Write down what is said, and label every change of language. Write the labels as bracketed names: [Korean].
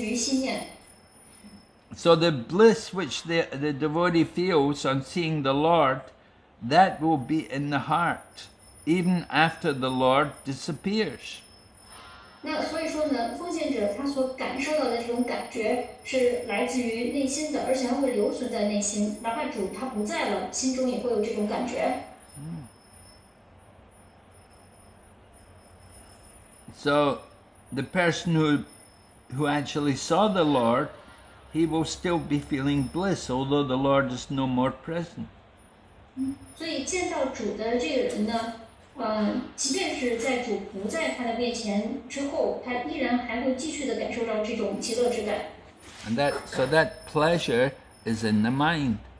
[Chinese] 所有的这些感受并非来自于感官本身，而是来自于心念。 [English] So the bliss which the devotee feels on seeing the Lord, that will be in the heart, even after the Lord disappears. [Chinese] 那所以说呢，奉献者他所感受到的这种感觉是来自于内心的，而且它会留存在内心，哪怕主他不在了，心中也会有这种感觉。 [English] So the person who actually saw the Lord, he will still be feeling bliss, although the Lord is no more present. And that, so that pleasure is in the mind.